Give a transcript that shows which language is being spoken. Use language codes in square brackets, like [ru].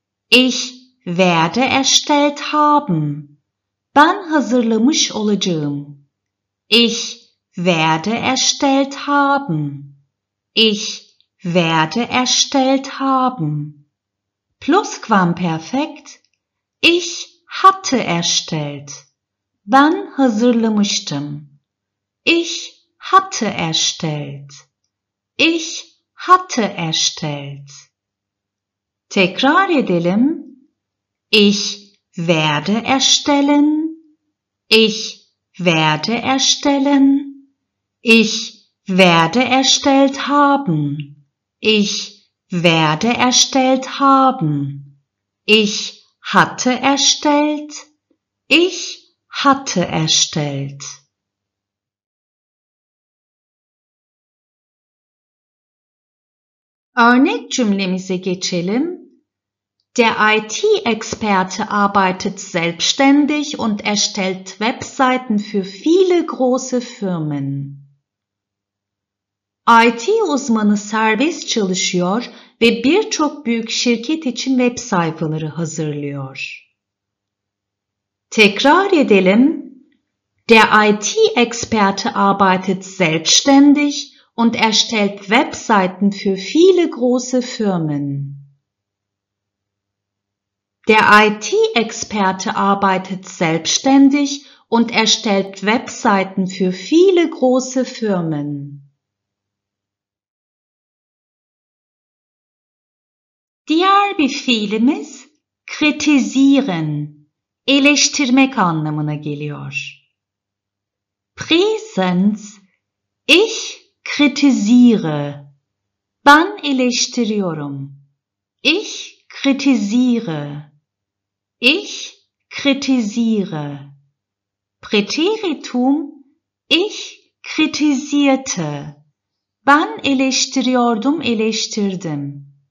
[de] Ich werde erstellt haben. [tr] Ben hazırlamış olacağım. [de] Ich werde erstellt haben. Ich werde erstellt haben. Plusquamperfekt. Ich hatte erstellt. [tr] Ben hazırlamıştım. [de] Ich hatte erstellt. Ich hatte erstellt. [tr] Tekrar edelim. [de] Ich werde erstellen. Ich werde erstellen. Ich werde erstellt haben. Ich werde erstellt haben. Ich hatte erstellt. Ich hatte erstellt. [tr] Örnek cümlemize geçelim. [de] Der IT-Experte arbeitet selbstständig und erstellt Webseiten für viele große Firmen. [tr] IT-Uzmanı serbest çalışıyor ve birçok büyük şirket için web sayfaları hazırlıyor. Tekrar edelim. [de] Der IT-Experte arbeitet selbstständig und erstellt Webseiten für viele große Firmen. Der IT-Experte arbeitet selbstständig und erstellt Webseiten für viele große Firmen. [tr] Diğer bir fiilimiz kritisieren, eleştirmek anlamına geliyor. [de] Präsens, ich kritisiere, [tr] ben eleştiriyorum. [de] Ich kritisiere. Ich kritisiere. Präteritum, ich kritisierte. [tr] Ben eleştiriyordum, eleştirdim.